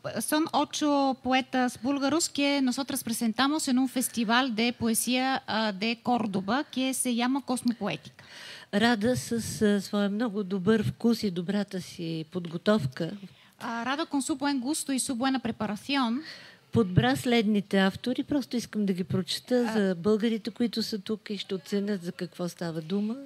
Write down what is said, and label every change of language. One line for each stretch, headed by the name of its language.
Spanish: Son 8 poetas búlgaros que nosotros presentamos en un festival de poesía de Córdoba que se llama Cosmopoética.
Bulgarian: Рада с своя много добър вкус и добрата си подготовка.
Spanish: Рада con su buen gusto y su buena preparación.
Bulgarian: Подбра следните автори, просто искам да ги прочета за българите, които са тук и ще оценят за какво става дума.